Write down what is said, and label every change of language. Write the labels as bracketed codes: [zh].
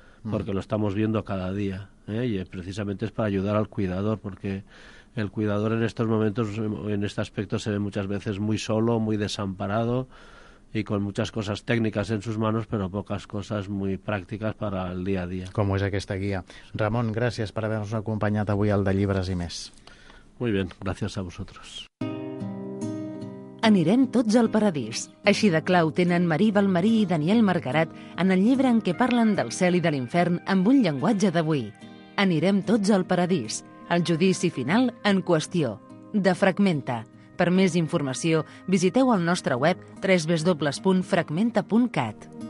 [es] porque lo estamos viendo cada día, ¿eh? Y precisamente es para ayudar al cuidador, porque el cuidador en estos momentos, en este aspecto, se ve muchas veces muy solo, muy desamparado y con muchas cosas técnicas en sus manos, pero pocas cosas muy prácticas para el día a día. [ca] Com és aquesta guia. Ramon, gràcies per haver-nos acompanyat avui al De Llibres i Més. [es] Muy bien, gracias a vosotros. [ca] Anirem tots al paradís. Així de clau tenen Marí Balmarí i Daniel Margarat en el llibre en què parlen del cel i de l'infern amb un llenguatge d'avui. Anirem tots al paradís. El judici final en qüestió. De Fragmenta. Per més informació, visiteu el nostre web www.fragmenta.cat.